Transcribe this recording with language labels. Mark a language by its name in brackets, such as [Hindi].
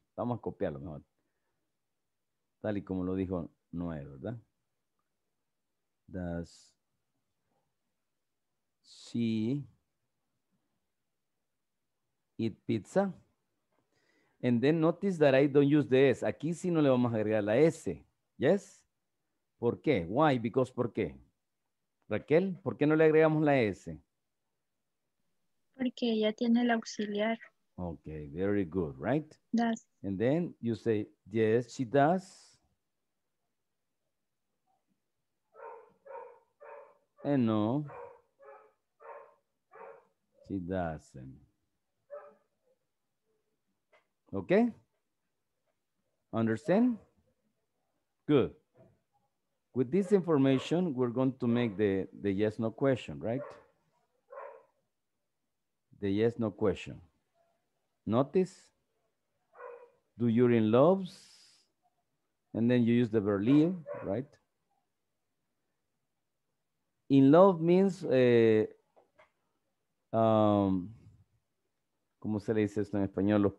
[Spanish] Vamos a copiarlo mejor. Tal y como lo dijo Noé, ¿verdad? [English] Does she eat pizza? And then notice that I don't use the S. [Spanish] Aquí sí no le vamos a agregar la S. [English] Yes? [Spanish] ¿Por qué? [English] Why? Because [Spanish] ¿por qué? Raquel, ¿por qué no le agregamos la S? Porque ya tiene el auxiliar. [English] Okay, very good, right? Does. And then you say, yes, she does. And no, she doesn't. Okay? Understand? Good. With this information, we're going to make the yes-no question, right? The yes-no question. Notice, do you in loves? And then you use the verb live, right? In love means, [Spanish] ¿cómo se le dice esto en español?